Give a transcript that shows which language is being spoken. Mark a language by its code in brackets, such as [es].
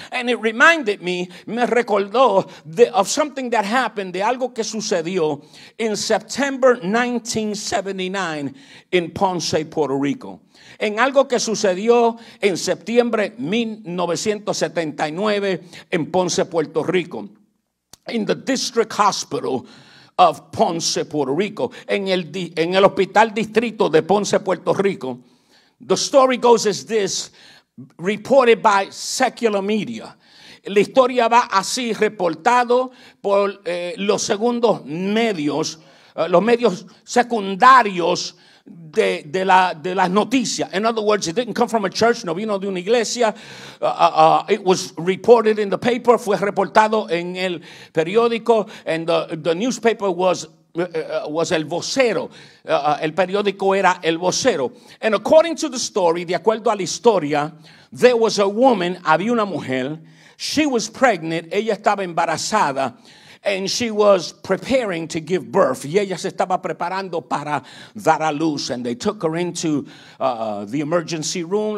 [en] And it reminded me, [es] me recordó [en] of something that happened, [es] de algo que sucedió [en] in September 1979 in Ponce, Puerto Rico. [es] En algo que sucedió en septiembre 1979 en Ponce, Puerto Rico. [en] In the District Hospital of Ponce, Puerto Rico. [es] En el Hospital Distrito de Ponce, Puerto Rico. [en] The story goes as this, reported by secular media. [es] La historia va así, reportado por los segundos medios, los medios secundarios de las noticias. [en] In other words, it didn't come from a church, [es] no vino de una iglesia. [en] It was reported in the paper, [es] fue reportado en el periódico, [en] and the newspaper was el vocero. [es] El periódico era el vocero. [en] And according to the story, [es] de acuerdo a la historia, [en] there was a woman, [es] había una mujer, [en] she was pregnant, [es] ella estaba embarazada. [en] And she was preparing to give birth. [es] Y ella se estaba preparando para dar a luz. [en] And they took her into the emergency room.